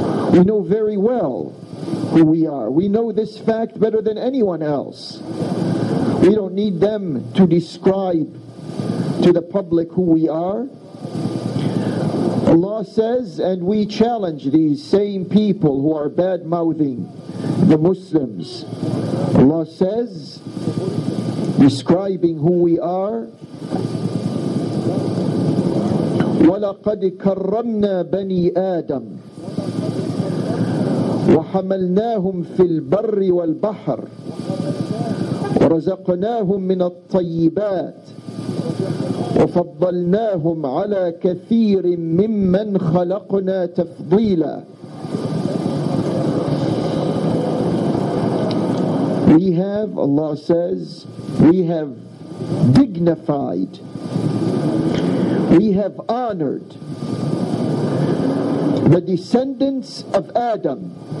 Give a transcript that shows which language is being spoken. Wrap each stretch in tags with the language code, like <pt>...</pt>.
<en>We know very well who we are. We know this fact better than anyone else. We don't need them to describe to the public who we are. Allah says, and we challenge these same people who are bad-mouthing the Muslims. Allah says, describing who we are,</en> <ar>وَلَقَدْ كَرَّمْنَا بَنِي آدَمْ وَحَمَلْنَاهُمْ فِي الْبَرِّ وَالْبَحْرِ وَرَزَقْنَاهُمْ مِنَ الطَّيِّبَاتِ وَفَضَّلْنَاهُمْ عَلَى كَثِيرٍ مِّمَّنْ خَلَقْنَا تَفْضِيلًا.</ar> <en>We have, Allah says, we have dignified, we have honored the descendants of Adam.</en>